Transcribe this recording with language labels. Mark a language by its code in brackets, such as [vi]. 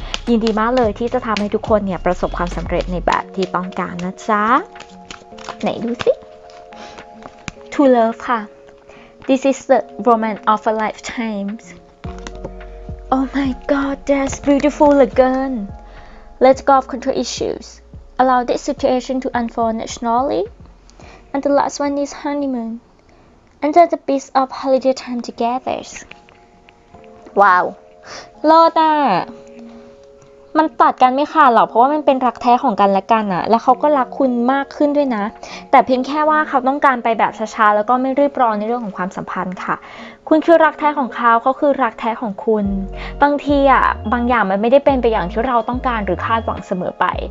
[th] ยินดีมากเลยที่จะทำให้ทุกคนเนี่ยประสบความสำเร็จในแบบที่ต้องการนะจ๊ะไหนดูสิ [en] to love [th] ค่ะ [en] this is the romance of a lifetimeOh my god, that's beautiful again. Let go of control issues. Allow this situation to unfold naturally. And the last one is honeymoon. Enjoy the peace of holiday time together. Wow. [th] โลดอ่ะมันตัดกันไม่ขาดหรอกเพราะว่ามันเป็นรักแท้ของกันและกันอ่ะแล้วเขาก็รักคุณมากขึ้นด้วยนะแต่เพียงแค่ว่าเขาต้องการไปแบบช้าๆแล้วก็ไม่รีบร้อนในเรื่องของความสัมพันธ์ค่ะคุณคือรักแท้ของเขาเขาคือรักแท้ของคุณบางทีอ่ะบางอย่างมันไม่ได้เป็นไปอย่างที่เราต้องการหรือคาดหวังเสมอไป